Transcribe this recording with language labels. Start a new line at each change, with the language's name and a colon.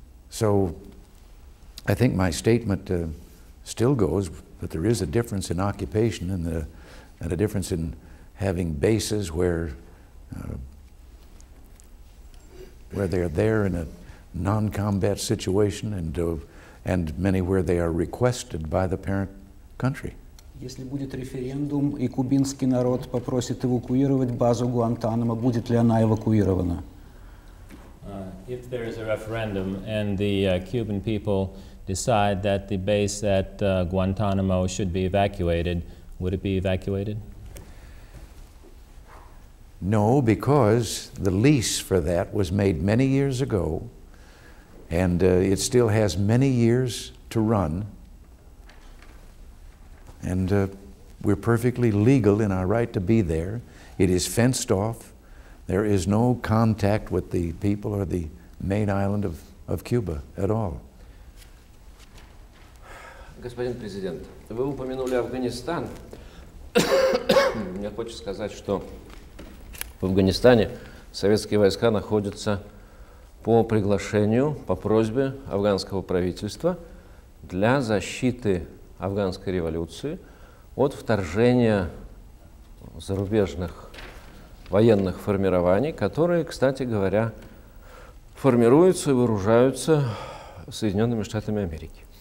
English: So I think my statement still goes, that there is a difference in occupation and a difference in having bases where they are there in a non-combat situation and many where they are requested by the parent country.
Russian: Если будет референдум и кубинский народ попросит эвакуировать базу Гуантанамо, будет ли она эвакуирована?
English: If there is a referendum and the Cuban people decide that the base at Guantanamo should be evacuated, would it be evacuated? No, because the lease for that was made many years ago, and it still has many years to run, and we're perfectly legal in our right to be there. It is fenced off. There is no contact with the people or the main island of Cuba at all.
Russian: Господин президент, вы упомянули Афганистан. Я хочу сказать, что в Афганистане советские войска находятся по приглашению, по просьбе афганского правительства для защиты афганской революции от вторжения зарубежных военных формирований, которые, кстати говоря, формируются и вооружаются Соединенными Штатами Америки.